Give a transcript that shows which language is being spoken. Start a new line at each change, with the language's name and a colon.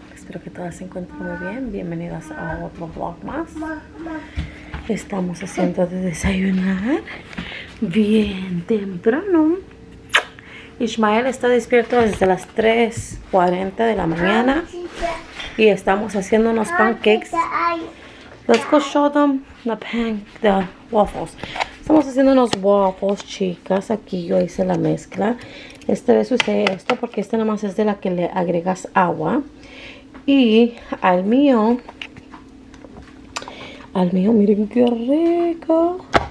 Spanish: Espero que todas se encuentren muy bien. Bienvenidas a otro vlog más. Estamos haciendo de desayunar bien temprano. Ismael está despierto desde las 3:40 de la mañana. Y estamos haciendo unos pancakes.
English: Let's go show them the pancakes, the waffles.
Spanish: Estamos haciendo unos waffles, chicas. Aquí yo hice la mezcla. Esta vez usé esto porque esta nomás es de la que le agregas agua. Y al mío, miren qué rico.